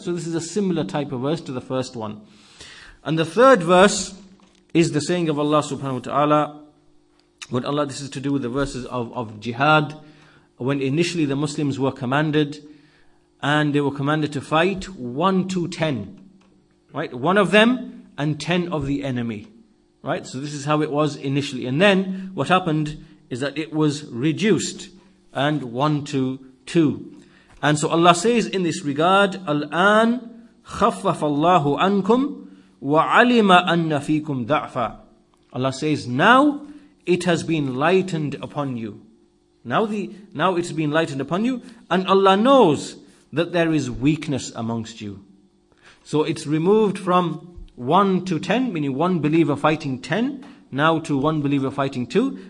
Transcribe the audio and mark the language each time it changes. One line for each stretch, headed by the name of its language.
English: So this is a similar type of verse to the first one. And the third verse is the saying of Allah subhanahu wa ta'ala, what Allah, this is to do with the verses of jihad, when initially the Muslims were commanded And they were commanded to fight 1 to 10. Right? One of them and 10 of the enemy. Right? So this is how it was initially. And then what happened is that it was reduced. And 1 to 2. And so Allah says in this regard,
Arabic: الآن خفف الله عنكم وعلم أن فيكم ضعفا.
English: Allah says, now it has been lightened upon you. Now it's been lightened upon you, and Allah knows that there is weakness amongst you. So it's removed from 1 to 10, meaning one believer fighting 10, now to one believer fighting 2.